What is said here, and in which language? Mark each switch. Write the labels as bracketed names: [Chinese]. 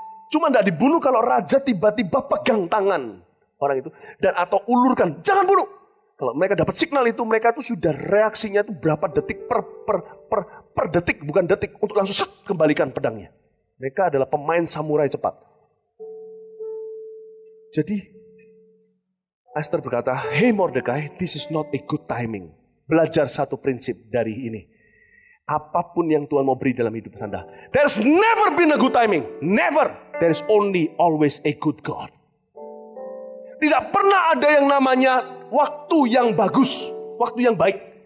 [Indonesian] Cuma gak dibunuh kalau raja tiba-tiba pegang tangan orang itu. Dan atau ulurkan. Jangan bunuh. Kalau mereka dapat signal itu. Mereka itu sudah reaksinya itu berapa detik per detik. Bukan detik. Untuk langsung set, kembalikan pedangnya. Mereka adalah pemain samurai cepat. Jadi Esther berkata, [English] hey Mordekai, this is not a good timing. [Indonesian] Belajar satu prinsip dari ini. Apapun yang Tuhan mau beri dalam hidup Anda, [English] there's never been a good timing. Never. There is only always a good God. [Indonesian] Tidak pernah ada yang namanya waktu yang bagus, waktu yang baik.